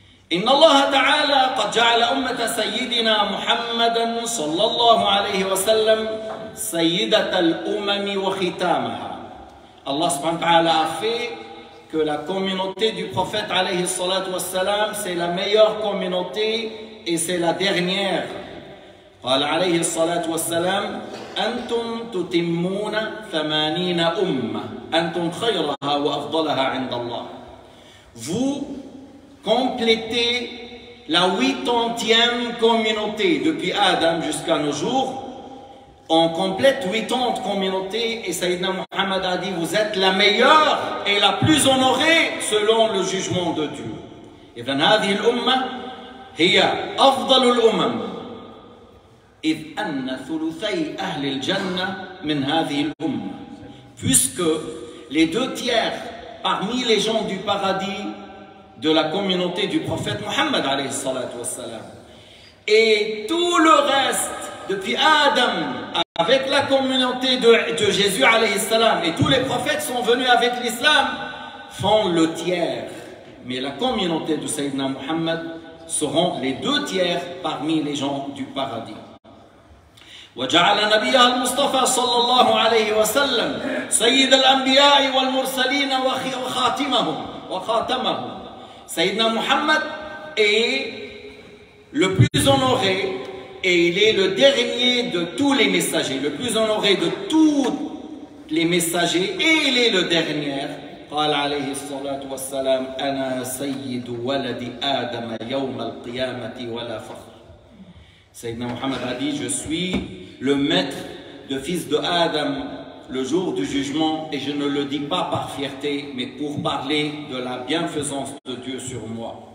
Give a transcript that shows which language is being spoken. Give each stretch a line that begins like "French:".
Arabic: إِنَّ اللَّهَ تَعَالَى قَدْ جَعَلَ أُمَّةَ سَيِّدِنَا مُحَمَّدًا صَلَّى اللَّهُ عَلَيْهِ وَسَلَّمْ سَيِّدَةَ الْأُمَمِ وَخِتَامَهَا.
French: Allah subhanahu wa ta'ala a fait que la communauté du prophète alayhi salatu wa salam, c'est la meilleure communauté et c'est la dernière.
Arabic: قال عليه الصلاة والسلام: أنتم تتمون 80 أمة، أنتم خيرها وأفضلها عند الله.
French: Vous complétez la 80e communauté depuis Adam jusqu'à nos jours. On complète 80 communautés et Sayyidina Muhammad a dit: Vous êtes la meilleure et la plus honorée selon le jugement de Dieu. Et bien,
Arabic: هذه الأمة هي أفضل الأمم. إذ أن ثلثي أهل الجنة من هذه الأمة.
French: Puisque les deux tiers parmi les gens du paradis de la communauté du prophète Muhammad
Arabic: عليه الصلاة والسلام.
French: Et tout le reste depuis Adam avec la communauté de Jésus
Arabic: عليه السلام
French: et tous les prophètes sont venus avec l'islam font le tiers. Mais la communauté de Sayyidina Muhammad seront les deux tiers parmi les gens du paradis.
Arabic: وجعل نبيه المصطفى صلى الله عليه وسلم سيد الأنبياء والمرسلين وخاتمهم وخاتمهم.
French: سيدنا محمد est le plus honoré et il est le dernier de tous les messagers. Le plus honoré de tous les messagers et il est le dernier.
Arabic: قال عليه الصلاة والسلام: أنا سيد ولد آدم يوم القيامة ولا فخر.
French: Sayyidina Muhammad a dit: Je suis le maître de fils de Adam le jour du jugement et je ne le dis pas par fierté mais pour parler de la bienfaisance de Dieu sur moi.